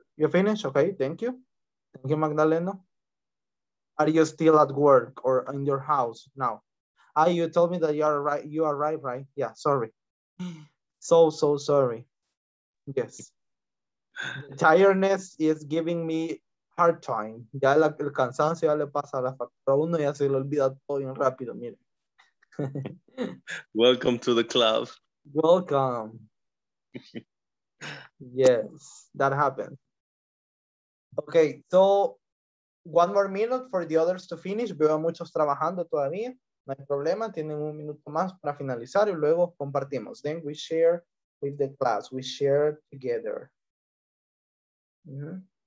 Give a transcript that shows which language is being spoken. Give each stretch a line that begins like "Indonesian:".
English: You finished? Okay, thank you. Thank you, Magdalena. Are you still at work or in your house now? Ah, you told me that you are right. You are right, right? Yeah, sorry. So, so sorry. Yes. The tiredness is giving me hard time.
Spanish: Ya la, el cansancio ya le pasa a la factura 1 y ya se le olvida todo bien rápido, mire.
English: Welcome to the club. Welcome. Yes, that happened. Okay, so one more minute for the others to finish.
Spanish: Veo a muchos trabajando todavía. No hay problema, tienen un minuto más para finalizar y luego compartimos.
English: Then we share with the class. We share together. Mm-hmm.